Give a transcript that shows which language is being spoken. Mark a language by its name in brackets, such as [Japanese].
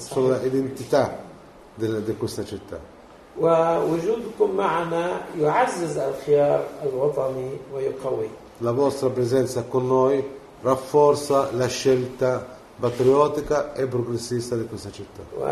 [Italian] sulla identità di questa città. [Arabic] ووجودكم معنا يعزز الخيار الوطني ويقوي. [Italian] la vostra presenza con noi rafforza la scelta patriottica e progressista di questa città.